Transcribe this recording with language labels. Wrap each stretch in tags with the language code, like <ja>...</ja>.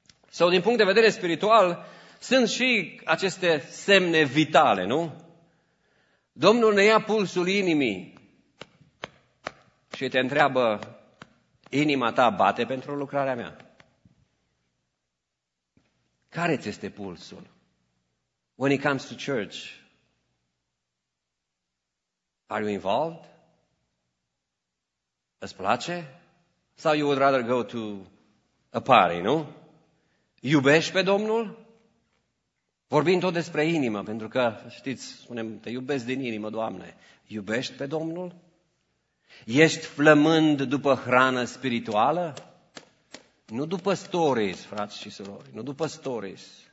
<ro>Sau din punct de vedere spiritual, sunt și aceste semne vitale, nu? Domnul ne ia pulsul inimii și te întreabă, inima ta bate pentru lucrarea mea? Care ți este pulsul?</ro> <en>When it comes to church, are you involved?</en> <ro>Îți place? Sau</ro> <en>you would rather go to a party,</en> <ro>nu? Iubești pe Domnul? Vorbim tot despre inimă, pentru că, știți, spunem, te iubesc din inimă, Doamne. Iubești pe Domnul? Ești flămând după hrană spirituală? Nu după stories, frați și surori, nu după stories.</ro>